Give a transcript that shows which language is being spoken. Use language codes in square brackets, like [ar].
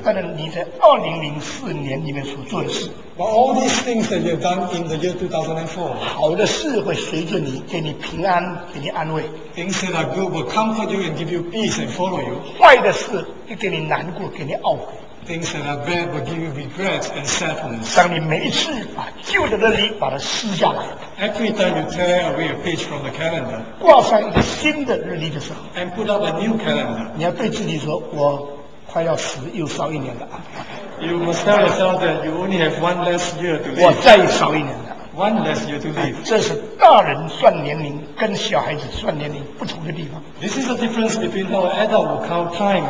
[zh] 但是你在2004年里面所做的事。 [en] But all these things that you have done in the year 2004。 [zh] 好的事会随着你，给你平安，给你安慰。 [en] Things that are good will comfort you and give you peace and follow you。 [zh] 坏的事会给你难过，给你懊悔。 [en] Things that are bad will give you regret and sadness。 [zh] 当你每一次把旧的日历把它撕下来。 [en] Every time you tear away a page from the calendar。 [zh] 挂上一个新的日历的时候。 [en] And put up a new calendar。 [zh] 你要对自己说，我。快要死又烧一年了。 [en] You must tell yourself that you only have one less year to live. [zh] 我再烧一年了。 [en] One less year to live. [zh] 这是大人算年龄跟小孩子算年龄不同的地方。 [en] This is the difference between how adult will count time.